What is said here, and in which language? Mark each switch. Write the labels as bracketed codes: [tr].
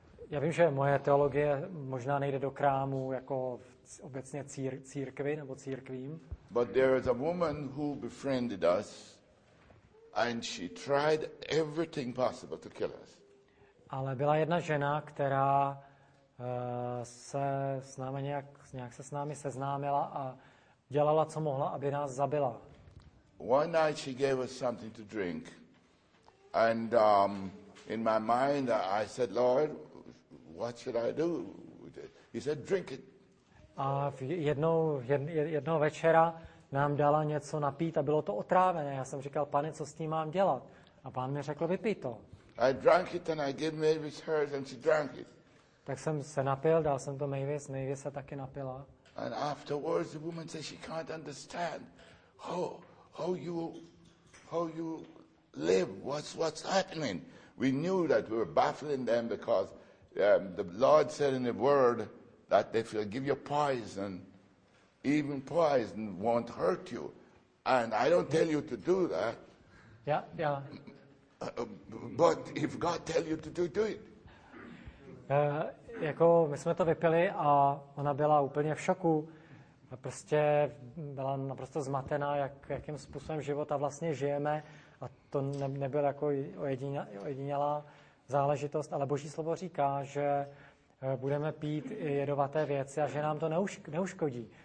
[cs] Já vím, že moje teologie možná nejde do krámu jako v obecně církvi nebo církvím. [en] But there is a woman who befriended us and she tried everything possible to kill us. [cs] Ale byla jedna žena, která se s námi nějak se s námi seznámila a dělala co mohla, aby nás zabila. [en] One night she gave us something to drink. And in my mind I said, Lord, what should I do with it? He said, drink it. [cs] A jednou večera nám dala něco napít a bylo to otrávené. Já jsem říkal, pane, co s tím mám dělat? A pán mi řekl, vypij to. [en] I drank it and I gave Mavis hers and she drank it. [cs] Tak jsem se napil, dal jsem to Mavis se taky napila. [en] And afterwards the woman said she can't understand how you live, what's happening. We knew that we were baffling them because the Lord said in the word that if you give you poison, even poison won't hurt you. And I don't tell you to do that. Yeah. But if God tell you to do it. [cs] Jako my jsme to vypili a ona byla úplně v šoku. Prostě byla naprosto zmatená, jakým způsobem života vlastně žijeme. A to nebyl jako ojedinělá záležitost. Ale Boží slovo říká, že budeme pít i jedovaté věci a že nám to neuškodí.